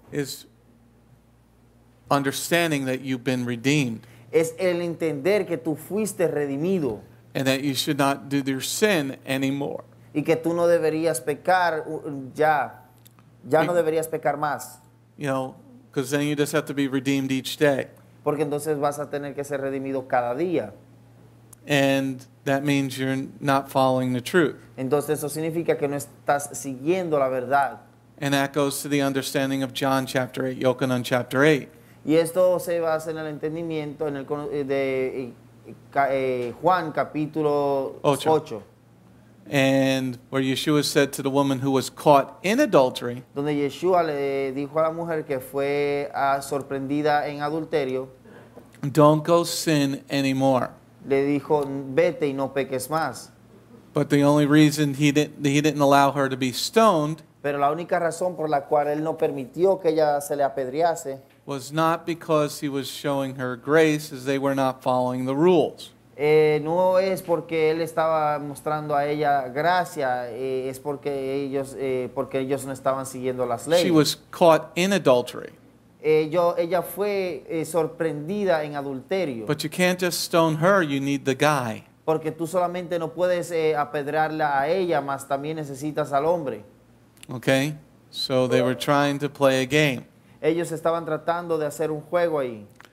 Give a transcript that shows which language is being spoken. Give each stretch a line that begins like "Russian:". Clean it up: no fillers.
English: Is understanding that you've been redeemed.
Spanish: Es el entender que tú fuiste redimido.
English: And that you should not do your sin anymore.
Spanish: Y que tú no deberías pecar ya. Ya no deberías pecar más.
English: You know, because then you just have to be redeemed each day.
Spanish: Porque entonces vas a tener que ser redimido cada día.
English: And that means you're not following the truth.
Spanish: Entonces eso significa que no estás siguiendo la verdad.
English: And that goes to the understanding of John chapter 8, Yohanan chapter 8.
Spanish: Y esto se basa en el entendimiento en el de Juan capítulo 8.
English: And where Yeshua said to the woman who was caught in adultery,
Spanish: donde Yeshua le dijo a la mujer que fue sorprendida en adulterio,
English: don't go sin anymore.
Spanish: Le dijo, vete y no peques más.
English: But the only reason he didn't allow her to be stoned,
Spanish: pero la única razón por la cual él no permitió que ella se le apedrease,
English: was not because he was showing her grace, as they were not following the rules.
Spanish: No es porque él estaba mostrando a ella gracia, es porque ellos no estaban siguiendo las leyes.
English: She was caught in adultery.
Spanish: Ella fue sorprendida en adulterio.
English: But you can't just stone her, you need the guy.
Spanish: Porque tú solamente no puedes apedrearla a ella, mas también necesitas al hombre.
English: Okay, so they were trying to play a game.
Spanish: Ellos estaban tratando de hacer un juego ahí.